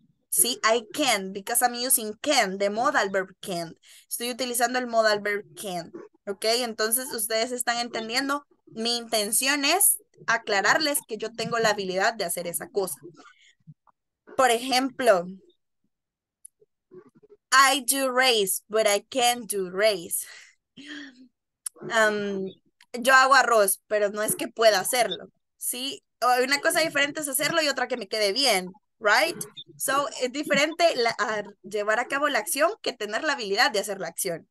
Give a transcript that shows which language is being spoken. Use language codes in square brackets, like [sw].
[en] Sí, I can, because I'm using can, the modal verb can. [es] Estoy utilizando el modal verb can. Ok, entonces ustedes están entendiendo. Mi intención es aclararles que yo tengo la habilidad de hacer esa cosa. Por ejemplo, [en] I do race, but I can't do race. [es] Yo hago arroz, pero no es que pueda hacerlo. Sí, una cosa diferente es hacerlo y otra que me quede bien. Right? So, es diferente a llevar a cabo la acción que tener la habilidad de hacer la acción.